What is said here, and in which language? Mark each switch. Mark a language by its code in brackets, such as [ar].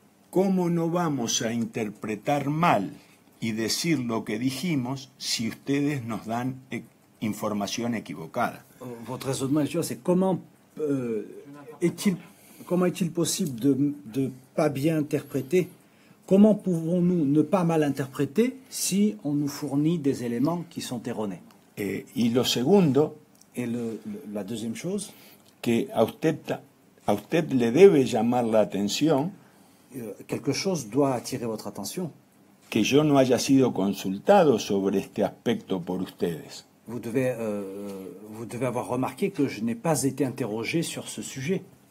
[es] ¿Cómo no vamos a interpretar mal y decir lo que dijimos si ustedes nos dan información equivocada. [fr] Votre raisonnement, monsieur, c'est comment est-il possible de ne pas bien interpréter? Comment pouvons-nous ne pas mal interpréter si on nous fournit des éléments qui sont erronés? Et la deuxième chose, [es] que a usted le debe llamar la atención, [fr] quelque chose doit attirer votre attention, [es] que yo no haya sido consultado sobre este aspecto por ustedes. [fr] Vous devez avoir remarqué que je n'ai pas été interrogé sur ce sujet.